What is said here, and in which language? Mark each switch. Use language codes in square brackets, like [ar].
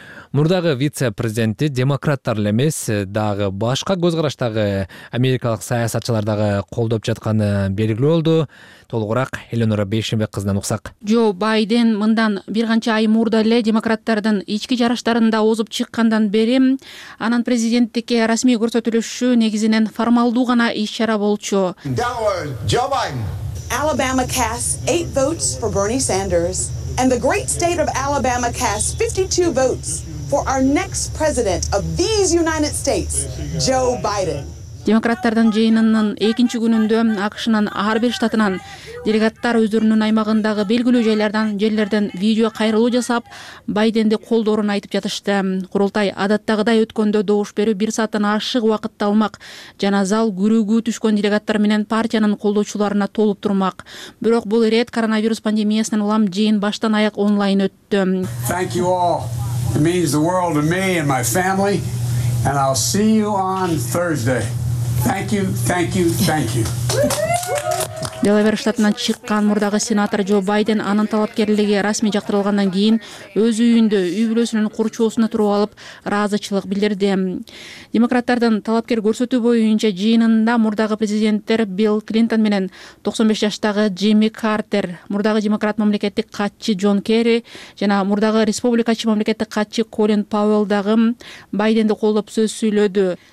[ky] Мурдагы вице-президенти демократтар эле эмес, дагы башка көз караштагы америкалык саясатчылар дагы колдоп жатканы белгилүү болду. Толугураак Эленора Бейшенбек кызынан уксак. Джо Байден мындан бир канча ай мурда эле демократтардын ички жарыштарында озуп чыккандан бери анын президенттикке расмий көрсөтүлүшү негизинен формалдуу гана иш чара болчу. [en] Alabama cast 8 votes for Bernie Sanders and the great state of Alabama cast 52 votes for our next president of these United States, Joe Biden. [ky] Демократтардын жыйынынын экинчи күнүндө АКШнын ар бир штатынан делегаттар өздөрүнүн аймагындагы белгилүү жерлерден видео кайрылуу жасап, Байденди колдоорун айтып жатышты. Курултай адаттагыдай өткөндө добуш берүү 1 сааттан ашык убакытты алмак жана зал күрүгүү түшкөн делегаттар менен партиянын колдоочуларына толуп турмак. Бирок бул ирет коронавирус пандемиясынан улам жыйын баштан аяк онлайн өттү. [en] Thank you all. It means the world to me and my family. And I'll see you on Thursday. Thank you, thank you, thank you. [ky] Делавер штатынан чыккан мурдагы сенатор Джо Байден анын талапкерлиги расмий жактырылгандан кийин өз үйүндө үй бүлөсүнүн курчоосунда туруп алып ыраазычылык билдирди. Демократтардын талапкер көрсөтүү боюнча жыйынында мурдагы президенттер Билл Клинтон менен 95 жаштагы Джимми Картер, мурдагы демократ мамлекеттик катчы Джон Керри жана мурдагы республикачы мамлекеттик катчы Колин Пауэлл дагы Байденди колдоп сөз сүйлөдү.